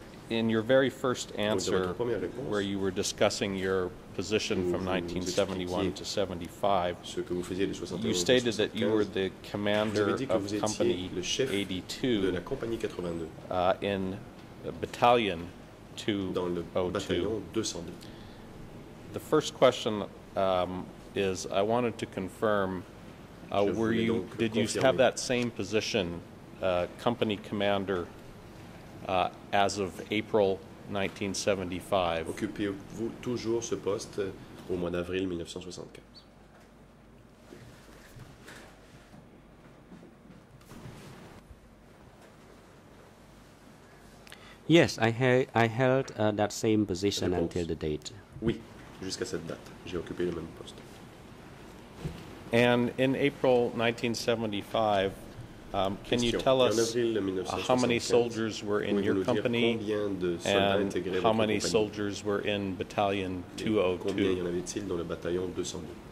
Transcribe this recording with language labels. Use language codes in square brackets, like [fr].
[en] In your very first answer, where you were discussing your position from 1971 to 75, you stated that you were the commander of Company 82 in Battalion 202. The first question is, I wanted to confirm, did you have that same position, company commander, as of April 1975? [fr] Occupez-vous toujours ce poste au mois d'avril 1975? [en] Yes, I held that same position until the date. [fr] Oui, jusqu'à cette date, j'ai occupé le même poste. [en] And in April 1975, can you tell us how many soldiers were in your company and how many soldiers were in Battalion 202? [fr] Combien y en avait-il dans le bataillon 202?